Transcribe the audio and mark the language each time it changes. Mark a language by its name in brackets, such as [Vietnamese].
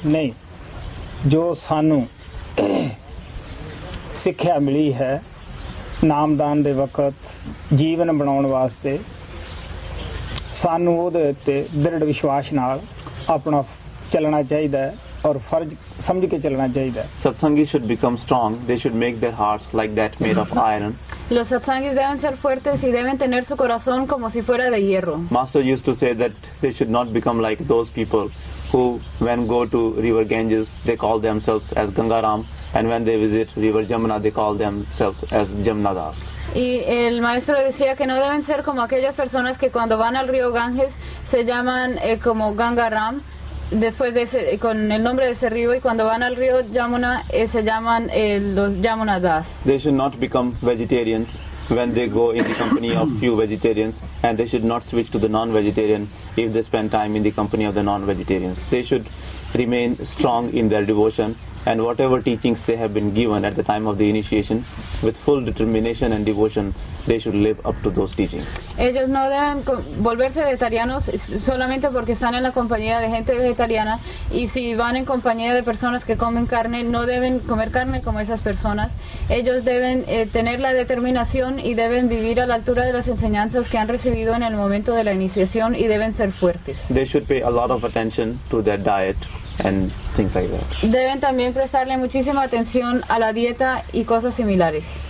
[Punjabi] Nahi, jo sanu ਸਿੱਖਿਆ ਮਿਲੀ ਹੈ ਨਾਮਦਾਨ ਦੇ ਵਕਤ ਜੀਵਨ ਬਣਾਉਣ ਵਾਸਤੇ, ਸਾਨੂੰ ਉਹਦੇ ਉੱਤੇ ਦ੍ਰਿੜ ਵਿਸ਼ਵਾਸ ਨਾਲ ਆਪਣਾ ਚੱਲਣਾ ਚਾਹੀਦਾ ਔਰ ਫਰਜ਼ ਸਮਝ ਕੇ ਚੱਲਣਾ ਚਾਹੀਦਾ. [English] Satsangi should become strong, they should make their hearts like that made of iron. [Spanish] Los satsangis deben ser fuertes y deben tener su corazón como si fuera de hierro. [English] Master used to say that they should not become like those people who, when go to River Ganges, they call themselves as Gangaram, and when they visit River Jamuna, they call themselves as Jamunadas. [Spanish] Y el maestro decía que no deben ser como aquellas personas que cuando van al río Ganges se llaman como Gangaram, después de ese, con el nombre de ese río, y cuando van al río Jamuna se llaman los Jamunadas. [English] They should not become vegetarians when they go in the company of few vegetarians, and they should not switch to the non-vegetarian if they spend time in the company of the non-vegetarians. They should remain strong in their devotion and whatever teachings they have been given at the time of the initiation, with full determination and devotion, they should live up to those teachings. [Spanish] Ellos no deben volverse vegetarianos solamente porque están en la compañía de gente vegetariana, y si van en compañía de personas que comen carne, no deben comer carne como esas personas. Ellos deben tener la determinación y deben vivir a la altura de las enseñanzas que han recibido en el momento de la iniciación y deben ser fuertes. [English] They should pay a lot of attention to their diet and things like that. [Spanish] Deben también prestarle muchísima atención a la dieta y cosas similares.